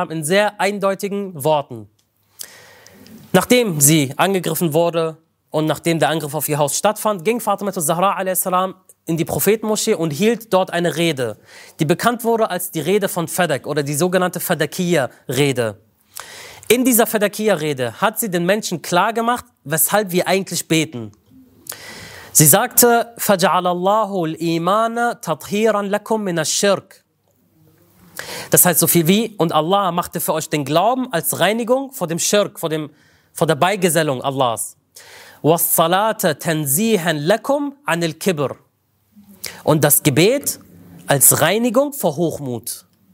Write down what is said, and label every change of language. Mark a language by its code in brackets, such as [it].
[de] in sehr eindeutigen Worten. Nachdem sie angegriffen wurde und nachdem der Angriff auf ihr Haus stattfand, ging Fatima az-Zahra a.s. in die Prophetenmoschee und hielt dort eine Rede, die bekannt wurde als die Rede von Fadak oder die sogenannte Fadakiyya-Rede. In dieser Fadakiyya-Rede hat sie den Menschen klargemacht, weshalb wir eigentlich beten. Sie sagte, [ar] فَجَعَلَ اللَّهُ الْإِيمَانَ تَطْهِيرًا لَكُمْ مِنَ الشِّرْكِ. [de] Das heißt so viel wie, und Allah machte für euch den Glauben als Reinigung vor dem Schirk, vor der Beigesellung Allahs. [ar] وَالصَّلَاةَ تَنْزِيهًا لَكُمْ عَنِ الْكِبْرِ. [de] Und das Gebet als Reinigung vor Hochmut.